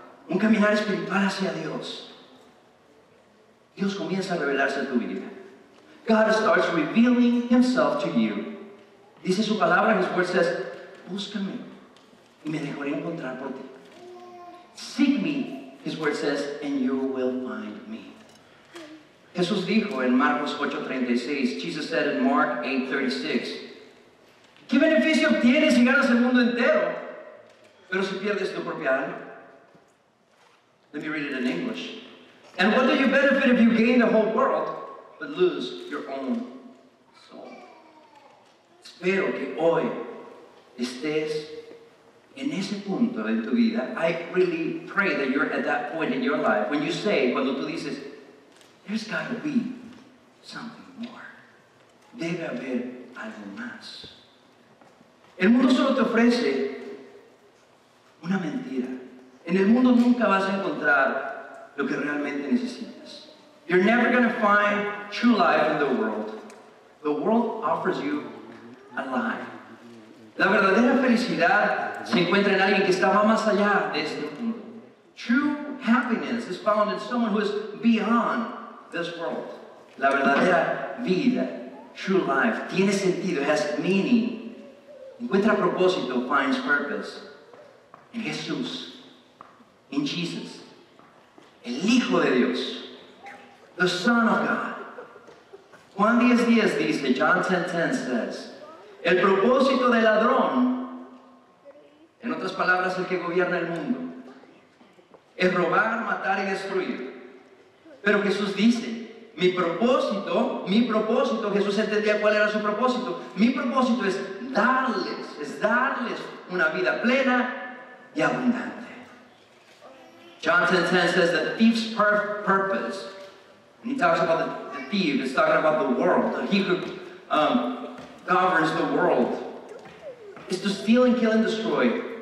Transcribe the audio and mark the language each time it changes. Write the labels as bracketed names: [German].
[Spanish] Un caminar espiritual hacia Dios. Dios comienza a revelarse a tu vida. [English] God starts revealing himself to you. [Spanish] Dice su palabra, [English] his word says, [Spanish] búscame y me dejaré encontrar por ti. [English] Seek me, his word says, and you will find me. [Spanish] Jesús dijo en Marcos 8:36, [English] Jesus said in Mark 8:36, [Spanish] ¿qué beneficio obtienes si ganas el mundo entero, pero si pierdes tu propia alma? [English] Let me read it in English. And what do you benefit if you gain the whole world, but lose your own soul? [Spanish] Espero que hoy estés en ese punto en tu vida. [English] I really pray that you're at that point in your life when you say, [Spanish] cuando tú dices, [English] there's got to be something more. [Spanish] Debe haber algo más. El mundo solo te ofrece una mentira. En el mundo nunca vas a encontrar lo que realmente necesitas. [English] You're never going to find true life in the world. The world offers you a lie. [Spanish] La verdadera felicidad se encuentra en alguien que estaba más allá de este mundo. [English] True happiness is found in someone who is beyond this world. [Spanish] La verdadera vida, [English] true life, [Spanish] tiene sentido, [English] has meaning. [Spanish] Encuentra propósito, [English] finds purpose. [Spanish] En Jesús, en Jesus, el Hijo de Dios, [English] the Son of God. [Spanish] Juan 10:10 dice, [English] John 10:10 says, [Spanish] el propósito del ladrón, en otras palabras, el que gobierna el mundo, es robar, matar y destruir. Pero Jesús dice, mi propósito, Jesús entendía cuál era su propósito, mi propósito es darles una vida plena y abundante. [English] John 10:10 says that the thief's purpose, and he talks about the thief, he's talking about the world, that he could governs the world, is to steal and kill and destroy.